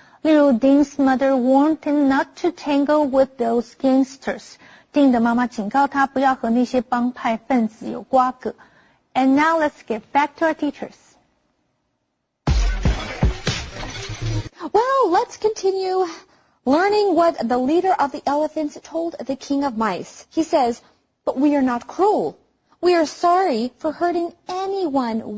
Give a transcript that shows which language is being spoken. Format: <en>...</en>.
<zh>例如</zh> <en>Dean's mother warned him not to tangle with those gangsters.</en> <zh>Dean 的妈妈警告他不要和那些帮派分子有瓜葛。</zh> <en>And now let's get back to our teachers. Well, let's continue learning what the leader of the elephants told the king of mice. He says, but we are not cruel. We are sorry for hurting anyone.</en>